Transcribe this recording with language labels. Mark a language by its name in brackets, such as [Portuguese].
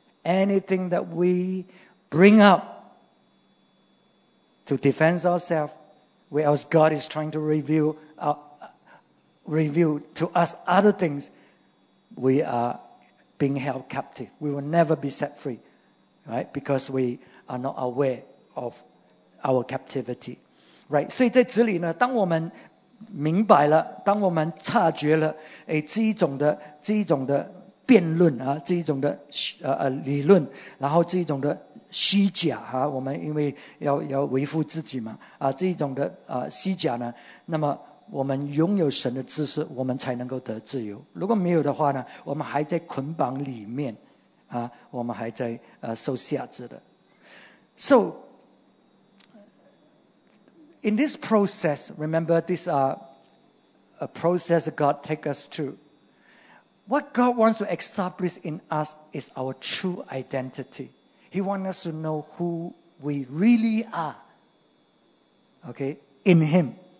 [English] Anything that we bring up to defend ourselves, whereas God is trying to reveal to us other things, we are being held captive. We will never be set free, right? Because we are not aware of our captivity, right? [Chinese] 所以在这里呢，当我们明白了，当我们察觉了这一种的辩论，这一种的虚假，我们因为要维护自己嘛，这一种的虚假呢，那么我们拥有神的知识，我们才能够得自由。如果没有的话呢，我们还在捆绑里面，我们还在受辖制的。 [English] So, in this process, remember this a process God takes us through. What God wants to establish in us is our true identity. He wants us to know who we really are. Okay? In Him.